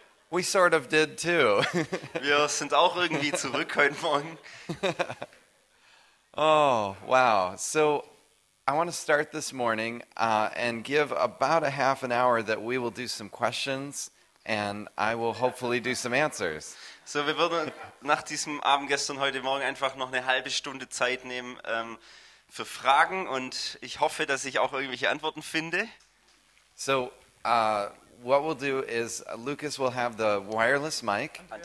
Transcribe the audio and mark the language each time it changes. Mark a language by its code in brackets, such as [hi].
[en] We sort of did too. [de] Wir sind auch irgendwie zurück heute Morgen. [en] Oh, wow. So I want to start this morning and give about a half an hour that we will do some questions and I will hopefully do some answers. [de] So wir würden nach diesem Abend gestern heute Morgen einfach noch eine halbe Stunde Zeit nehmen für Fragen und ich hoffe, dass ich auch irgendwelche Antworten finde. [en] So what we'll do is Lucas will have the wireless mic.